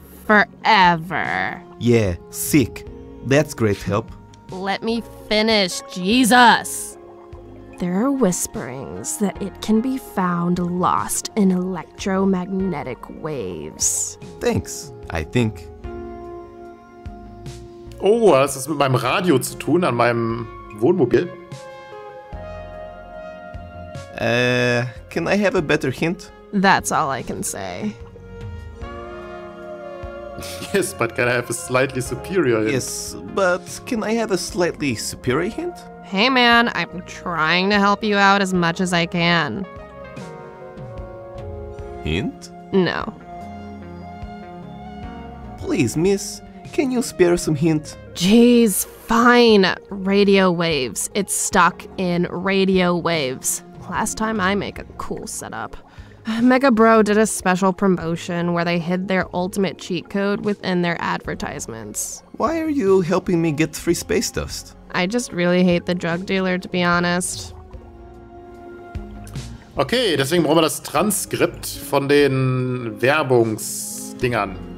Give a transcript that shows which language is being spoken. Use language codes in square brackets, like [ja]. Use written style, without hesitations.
[en] Forever. Yeah, sick. That's great help. Let me finish, Jesus! There are whisperings that it can be found lost in electromagnetic waves. Thanks, I think. [de] Oh, hat das mit meinem Radio zu tun, an meinem Wohnmobil? [en] Can I have a better hint? That's all I can say. Yes, but can I have a slightly superior hint? Yes, but can I have a slightly superior hint? Hey man, I'm trying to help you out as much as I can. Hint? No. Please, miss, can you spare some hint? Jeez, fine. Radio waves. It's stuck in radio waves. Last time I make a cool setup. Mega Bro did a special promotion where they hid their ultimate cheat code within their advertisements. Why are you helping me get free space dust? I just really hate the drug dealer, to be honest. [de] Okay, deswegen brauchen wir das Transkript von den Werbungsdingern.